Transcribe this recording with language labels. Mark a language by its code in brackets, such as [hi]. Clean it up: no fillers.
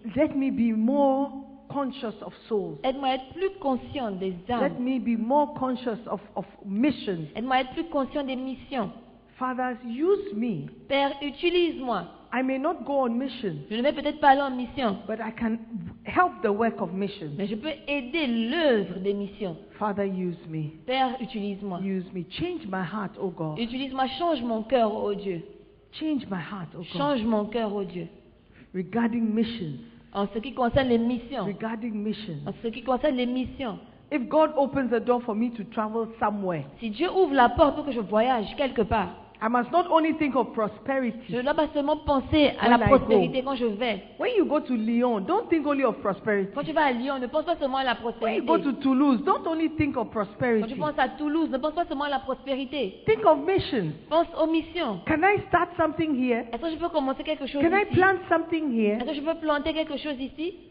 [en] Let me be more conscious of souls. [fr] Aide-moi à être plus conscient des âmes. [en] Let me be more conscious of missions. [fr] Aide-moi à être plus conscient des missions. [en] Father, use me. [fr] Père, utilise-moi. [en] I may not go on mission. [fr] Je ne vais peut-être pas aller en mission. [en] But I can help the work of missions. [fr] Mais je peux aider l'œuvre des missions. [en] Father, use me. [fr] Père, utilise-moi. [en] Use me. Change my heart, oh God. [fr] Utilise-moi, change mon cœur, oh Dieu. [en] Change my heart, oh God. [fr] Change mon cœur, oh Dieu. [en] Regarding missions. [fr] En ce qui concerne les missions. [en] Regarding missions. [fr] En ce qui concerne les missions. [en] If God opens the door for me to travel somewhere. [fr] Si Dieu ouvre la porte pour que je voyage quelque part. [en] I must not only think of prosperity. [fr] Je ne dois pas seulement penser à la prospérité quand je vais. [en] When you go to Lyon, don't think only of prosperity. [fr] Quand tu vas à Lyon, ne pense pas seulement à la prospérité. [en] When you go to Toulouse, don't only think of prosperity. [fr] Quand tu penses à Toulouse, ne pense pas seulement à la prospérité. [en] Think of missions. [fr] Pense aux missions. [en] Can I start something here? [fr] Est-ce que je peux commencer quelque chose [en] Can [fr] ici? [en] Can I plant something here? [fr] Est-ce que je peux planter quelque chose ici?